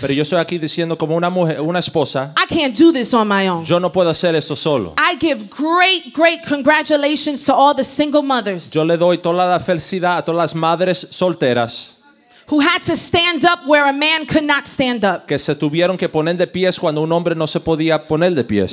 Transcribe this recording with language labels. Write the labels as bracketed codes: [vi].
[es] Pero yo estoy aquí diciendo como una mujer, una esposa. [en] I can't do this on my own. [es] Yo no puedo hacer esto solo. [en] I give great, great congratulations to all the single mothers. [es] Yo le doy toda la felicidad a todas las madres solteras. [en] Who had to stand up where a man could not stand up. [es] Que se tuvieron que poner de pies cuando un hombre no se podía poner de pies.